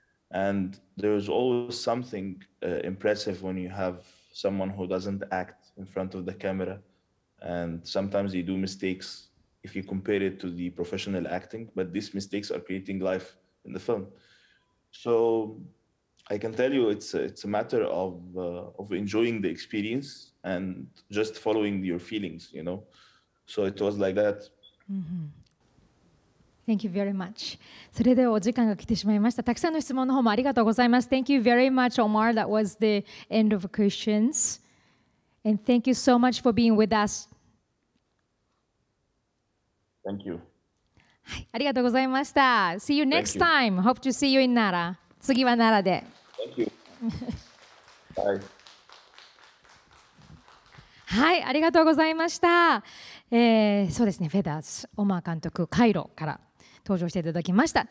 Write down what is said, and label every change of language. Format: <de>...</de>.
<en>And there's always something impressive when you have someone who doesn't act in front of the camera, and sometimes you do mistakes if you compare it to the professional acting, but these mistakes are creating life in the film. So I can tell you it's a matter of enjoying the experience and just following your feelings, you know? So it was like that. Mm-hmm. Thank you very much.</en> <ja>それではお時間が来てしまいました。たくさんの質問の方もありがとうございます。</ja> <en>Thank you very much, Omar. That was the end of questions. And thank you so much for being with us. Thank you.</en> <ja>はい、ありがとうございました。</ja> <en>See you next time. Hope to see you in Nara.</en> <ja>次は奈良で。</ja> <en>Thank you. Bye.</en> <ja>はい、ありがとうございました。そうですね、フェダーズ、オマー監督、カイロから登場していただきました。</ja>